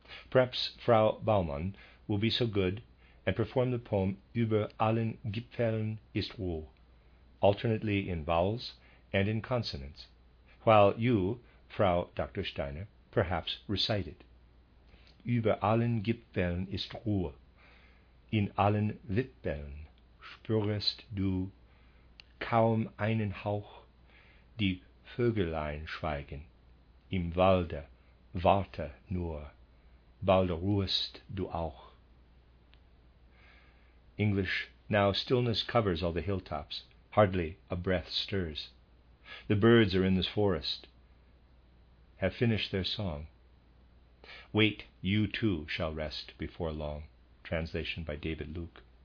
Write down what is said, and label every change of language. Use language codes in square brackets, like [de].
[en] Perhaps Frau Baumann will be so good and perform the poem Über allen Gipfeln ist Ruhe, alternately in vowels and in consonants, while you, Frau Dr. Steiner, perhaps recite it. [de] Über allen Gipfeln ist Ruhe, in allen Wipfeln spürest du kaum einen Hauch, die Vögelein schweigen, im Walde warte nur. Bald ruhest du auch. [en] English, now stillness covers all the hilltops, hardly a breath stirs. The birds are in this forest, have finished their song. Wait, you too shall rest before long. Translation by David Luke.